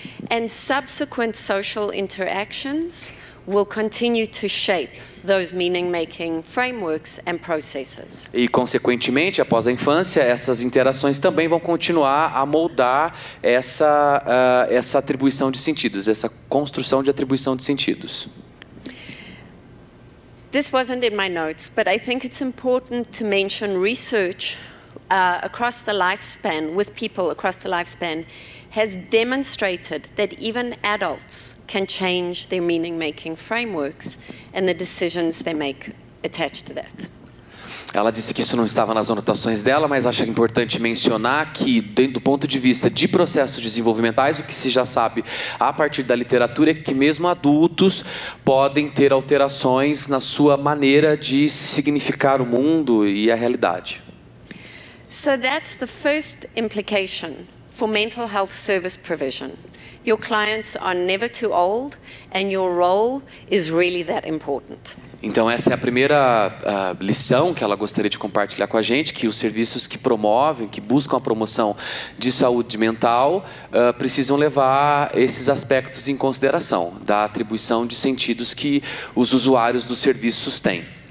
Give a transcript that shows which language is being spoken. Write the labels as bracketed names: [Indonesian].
[English] And subsequent social interactions will continue to shape those meaning-making frameworks and processes. [Portuguese] E consequentemente, após a infância, essas interações também vão continuar a moldar essa atribuição de sentidos, essa construção de atribuição de sentidos. [English] This wasn't in my notes, but I think it's important to mention research across the lifespan, with people across the lifespan, has demonstrated that even adults can change their meaning-making frameworks and the decisions they make attached to that. [Portuguese] Ela disse que isso não estava nas anotações dela, mas acha importante mencionar que, do ponto de vista de processos desenvolvimentais, o que se já sabe a partir da literatura é que mesmo adultos podem ter alterações na sua maneira de significar o mundo e a realidade. [English] So that's the first implication for mental health service provision. Your clients are never too old and your role is really that important. [Portuguese] Então essa é a primeira lição que ela gostaria de compartilhar com a gente, que os serviços que promovem, que buscam a promoção de saúde mental, precisam levar esses aspectos em consideração, da atribuição de sentidos que os usuários dos serviços têm.